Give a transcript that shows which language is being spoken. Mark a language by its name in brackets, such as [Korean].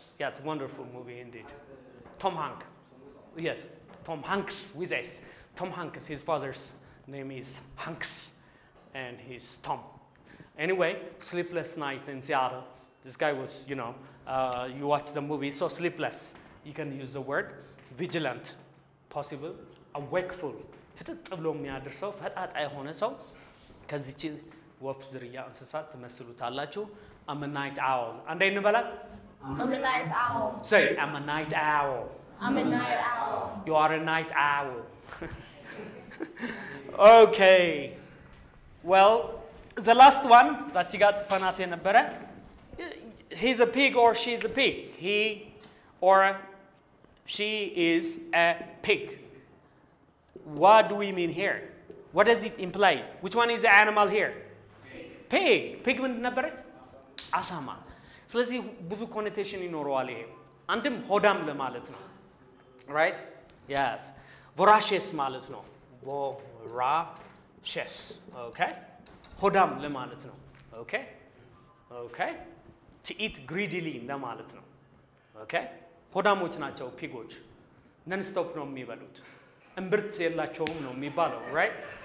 [English] Yeah, it's a wonderful movie indeed. Tom Hanks. Yes, Tom Hanks with S. Tom Hanks, his father's name is Hanks. And he's Tom. Anyway, Sleepless Night in Seattle. This guy was, you know, you watch the movie, so sleepless. You can use the word vigilant, possible, awakeful. [Amharic] ትጥብሎ የሚያደርሰው ፈጣጣ የሆነ ሰው ከዚች ወፍ ዝርያ እንስሳት ትመስሉታላችሁ። [English] I'm a night owl. [Amharic] አንዴ እንበላት? [English] I'm a night owl. Say, I'm a night owl. I'm a night owl. You are a night owl. Okay. Well, the last one that you got [Amharic] spanate nebere. [English] He's a pig or she's a pig. He or she is a pig. What do we mean here? What does it imply? Which one is the animal here? Pig. Pig. Pig [Amharic] nebere? Asama. ስለዚህ ብዙ ኮኔክሽን ይኖረዋል ይሄ አንድም ሆዳም ለማለት ነው [English] right yes voracious [Amharic] ማለት ነው [English] voracious okay [Amharic] ሆዳም ለማለት ነው [English] okay okay to eat greedily [Amharic] ለማለት ነው okay ሆዳሞች ናቸው ፒጎች [English] non stop [Amharic] ነው የሚበሉት እንብርት የላቸውም ነው የሚባለው [English] right